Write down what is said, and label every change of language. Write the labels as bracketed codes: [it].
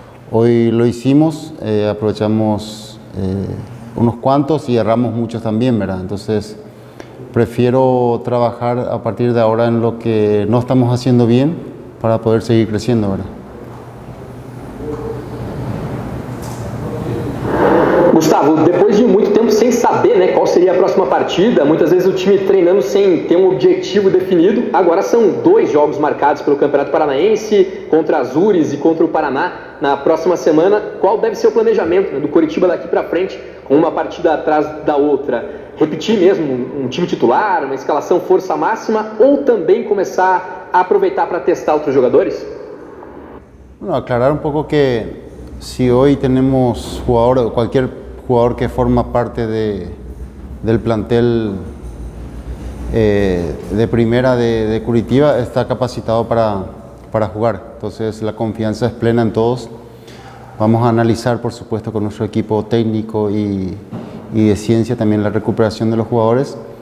[es] Hoy lo hicimos, aprovechamos unos cuantos y erramos muchos también, ¿verdad? Entonces, prefiero trabajar a partir de ahora en lo que no estamos haciendo bien para poder seguir creciendo, ¿verdad? [pt] Gustavo, depois de muito tempo sem saber, né, qual seria seria a próxima partida. Muitas vezes o time treinando sem ter um objetivo definido. Agora são dois jogos marcados pelo Campeonato Paranaense, contra a Azures e contra o Paraná na próxima semana. Qual deve ser o planejamento, né, do Coritiba daqui para frente, com uma partida atrás da outra? Repetir mesmo um time titular, uma escalação força máxima, ou também começar a aproveitar para testar outros jogadores? [es] Bueno, aclarar un poco que si hoy tenemos jugador, cualquier jugador que forma parte del plantel de primera de Curitiba, está capacitado para jugar. Entonces la confianza es plena en todos. Vamos a analizar, por supuesto, con nuestro equipo técnico y de ciencia también la recuperación de los jugadores.